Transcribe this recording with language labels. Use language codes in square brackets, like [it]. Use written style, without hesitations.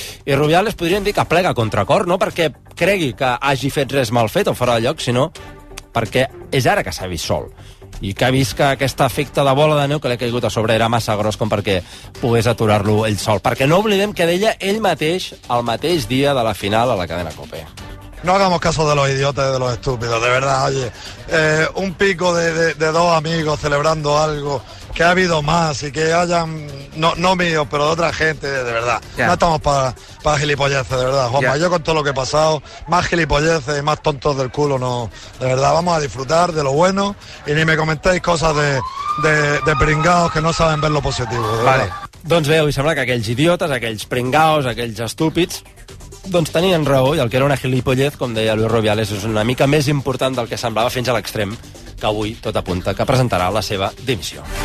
[ca] I Rubiales podríem dir que plega contracor, no perquè cregui que hagi fet res mal fet o fora de lloc, sinó perquè és ara que s'ha vist sol i que ha vist que aquest efecte de bola de neu que li ha caigut a sobre era massa gros com perquè pogués aturar-lo ell sol. Perquè no oblidem que deia ell mateix el mateix dia de la final a la cadena COPE. [es] No hagamos caso de los idiotas y de los estúpidos, de verdad, oye, un pico de dos amigos celebrando algo que ha habido más y que hayan, no mío, pero de otra gente, de verdad, yeah. No estamos para gilipolleces, de verdad, Juanma, yeah. Yo con todo lo que he pasado, más gilipolleces y más tontos del culo, no, de verdad, vamos a disfrutar de lo bueno y ni me comentéis cosas de pringados que no saben ver lo positivo, de vale. Verdad. [ca] Doncs bé, avui sembla que aquells idiotes, aquells pringados, aquells estúpids, doncs tenien raó, i el que era una gilipollez, com deia Luis Rubiales, és una mica més important del que semblava fins a l'extrem, que avui tot apunta que presentarà la seva dimissió.